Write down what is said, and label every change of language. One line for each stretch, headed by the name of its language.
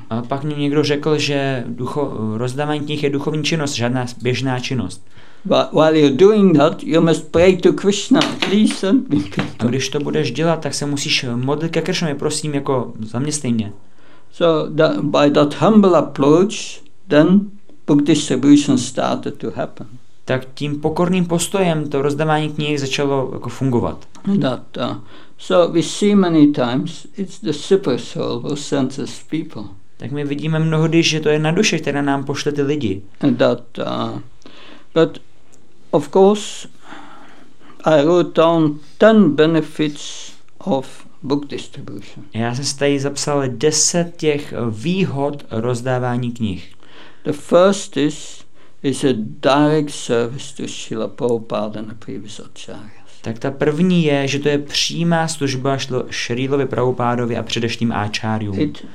Czech: A pak mi někdo řekl, že rozdávání knih je duchovní činnost, žádná běžná činnost.
English: But while you're doing that, you must pray to Krishna, please send me people.
Czech: A když to budeš dělat, tak se musíš modlit ke Krishnovi, prosím, jako zaměstnej mě.
English: So that, by that humble approach, then book distribution started to happen.
Czech: Tak tím pokorným postojem to rozdávání knih začalo jako fungovat.
English: So we see many times it's the super soul who sends us people.
Czech: tak my vidíme mnohdy, že to je na duše, která nám pošle ty lidi.
English: That, but of course, I wrote down 10 benefits of book distribution.
Czech: Já jsem si tady zapsal 10 těch výhod rozdávání knih.
English: The first is a direct service to Srila Prabhupada and the previous acharyas.
Czech: Tak ta první je, že to je přímá služba Šrílovi Prabhupádovi a předešlým áčárium.